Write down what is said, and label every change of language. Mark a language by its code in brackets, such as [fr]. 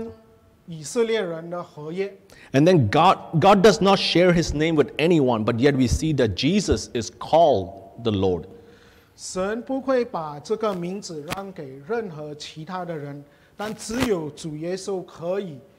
[zh] 就是他们在跟神、跟以色列人的合约。 [en] And then God does not share his name with anyone, but yet we see that Jesus is called the Lord. [zh] 神不会把这个名字让给任何其他的人，但只有主耶稣可以。